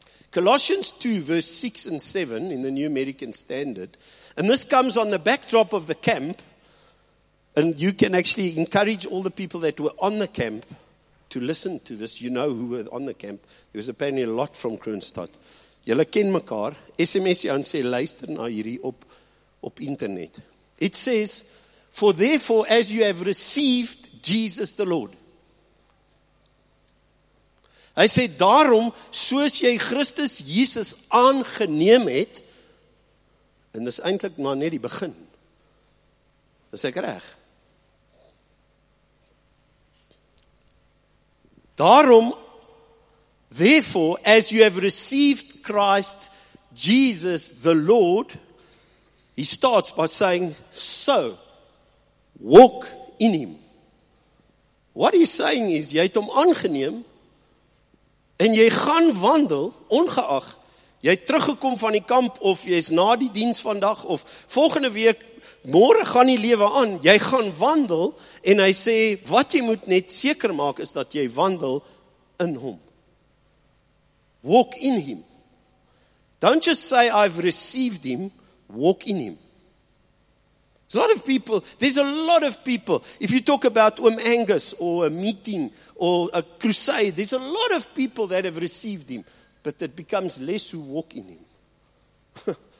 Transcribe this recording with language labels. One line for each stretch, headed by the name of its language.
English: Colossians 2 verse 6 and 7 in the New American Standard, and this comes on the backdrop of the camp, and you can actually encourage all the people that were on the camp to listen to this, you know who were on the camp. There was apparently a lot from Kroonstad.
Afrikaans: Julle ken mekaar. SMS jou en sê, luister na hierdie op internet.
English: It says, for therefore as you have received Jesus the Lord.
Afrikaans: Hy sê, daarom, soos jy Christus Jesus aangeneem het, En dis eintlik maar net die begin. Is ek reg?
English: Daarom, therefore, as you have received Christ Jesus the Lord, he starts by saying, so, walk in him. What he's saying is,
Afrikaans: jy het hom aangeneem, en jy gaan wandel, ongeag, jy het teruggekom van die kamp, of jy is na die diens vandag, of volgende week, morgen gaan die lewe aan, jy gaan wandel, en hy sê, wat jy moet net seker maak, is dat jy wandel in hom.
English: Walk in him. Don't just say, I've received him, walk in him. There's a lot of people, if you talk about Oom Angus, or a meeting, or a crusade, there's a lot of people that have received him, but it becomes less who walk in him.